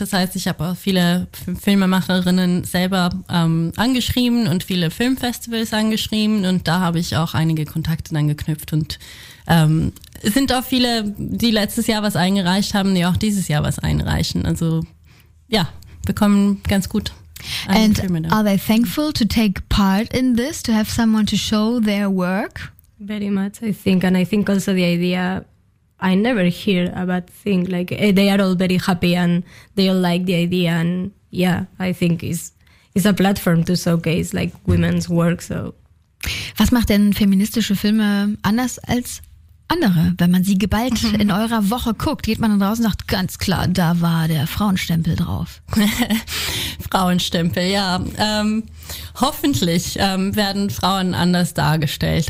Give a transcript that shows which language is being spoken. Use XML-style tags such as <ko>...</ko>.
<de>Das heißt, ich habe auch viele Filmemacherinnen selber angeschrieben und viele Filmfestivals angeschrieben und da habe ich auch einige Kontakte dann geknüpft und es sind auch viele, die letztes Jahr was eingereicht haben, die auch dieses Jahr was einreichen. Also ja, wir kommen ganz gut.</de> <en>And are they thankful to take part in this, to have someone to show their work? Very much, I think. And I think also the idea, I never hear about thing like, they are all very happy and they all like the idea. And yeah, I think it's a platform to showcase like women's work, so.</en> <de>Was macht denn feministische Filme anders als andere, wenn man sie geballt in eurer Woche guckt? Geht man dann raus und sagt, ganz klar, da war der Frauenstempel drauf. Frauenstempel, ja. Hoffentlich werden Frauen anders dargestellt.</de>